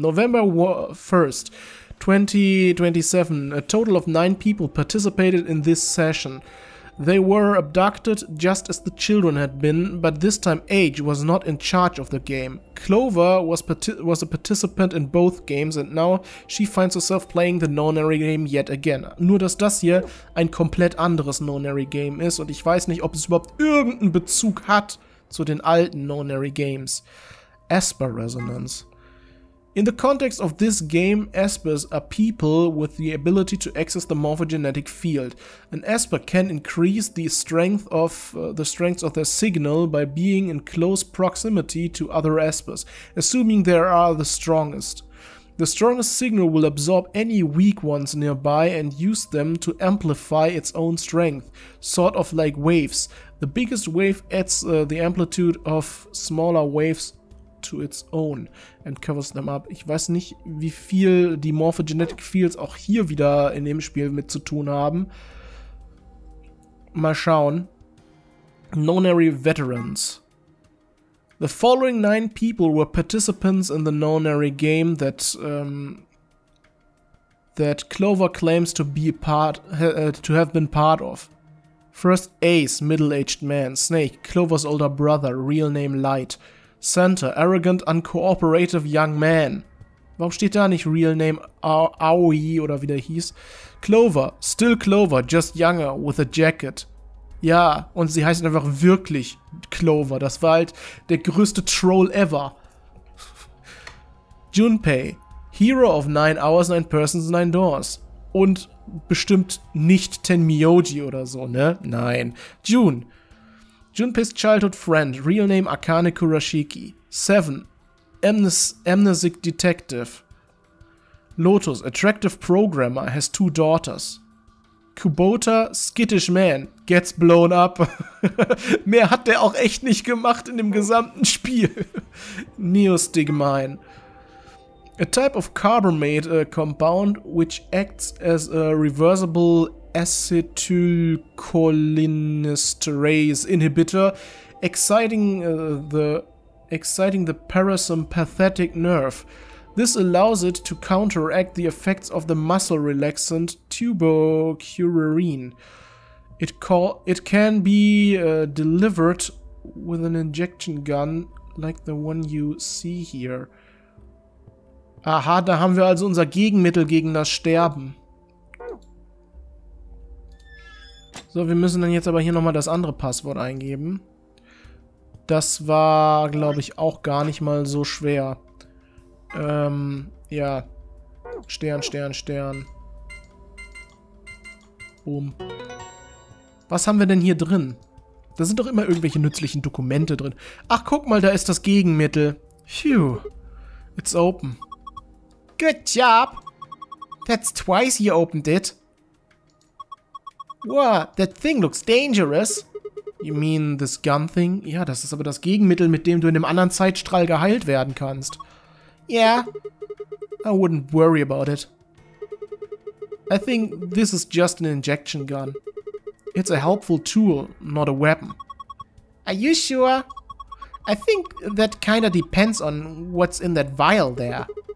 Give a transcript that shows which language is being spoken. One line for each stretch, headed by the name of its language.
English: November 1st, 2027, a total of 9 people participated in this session. They were abducted just as the children had been, but this time Age was not in charge of the game. Clover was a participant in both games and now she finds herself playing the nonary game yet again.
German: Nur dass das hier ein komplett anderes nonary game ist und ich weiß nicht, ob es überhaupt irgendeinen Bezug hat zu den alten nonary games.
English: Asper Resonance. In the context of this game, Aspers are people with the ability to access the morphogenetic field. An Asper can increase the strength of their signal by being in close proximity to other Aspers, assuming they are the strongest. The strongest signal will absorb any weak ones nearby and use them to amplify its own strength, sort of like waves. The biggest wave adds the amplitude of smaller waves to its own and covers them up.
German: Ich weiß nicht, wie viel die Morphogenetic Fields auch hier wieder in dem Spiel mit zu tun haben. Mal schauen.
English: Nonary Veterans. The following 9 people were participants in the Nonary game that that Clover claims to be have been part of. First, Ace, middle-aged man. Snake, Clover's older brother, real name Light. Center, arrogant, uncooperative young man.
German: Warum steht da nicht real name Aoi oder wie der hieß?
English: Clover, still Clover, just younger, with a jacket.
German: Ja, und sie heißt einfach wirklich Clover. Das war halt der größte Troll ever.
English: Junpei, hero of 9 hours, 9 persons, 9 doors.
German: Und bestimmt nicht Tenmyoji oder so, ne? Nein.
English: Junpei's childhood friend, real name Akane Kurashiki. 7. Amnesic detective. Lotus, attractive programmer, has 2 daughters. Kubota, skittish man, gets blown up.
German: Mehr hat der auch echt nicht gemacht in dem gesamten Spiel.
English: Neostigmine. A type of carbamate compound which acts as a reversible acetylcholinesterase inhibitor, exciting the parasympathetic nerve. This allows it to counteract the effects of the muscle relaxant tubocurarine. It can be delivered with an injection gun like the one you see here.
German: Aha, da haben wir also unser Gegenmittel gegen das Sterben. So, wir müssen dann jetzt aber hier nochmal das andere Passwort eingeben. Das war, glaube ich, auch gar nicht mal so schwer. Ja. Stern, Stern, Stern. Boom. Was haben wir denn hier drin? Da sind doch immer irgendwelche nützlichen Dokumente drin. Ach, guck mal, da ist das Gegenmittel.
English: Phew. It's open. Good job. That's twice you opened it. Wow, that thing looks dangerous. You mean this gun thing?
German: Ja, das ist aber das Gegenmittel, mit dem du in dem anderen Zeitstrahl geheilt werden kannst.
English: Yeah. I wouldn't worry about it. I think this is just an injection gun. It's a helpful tool, not a weapon. Are you sure? I think that kinda depends on what's in that vial there.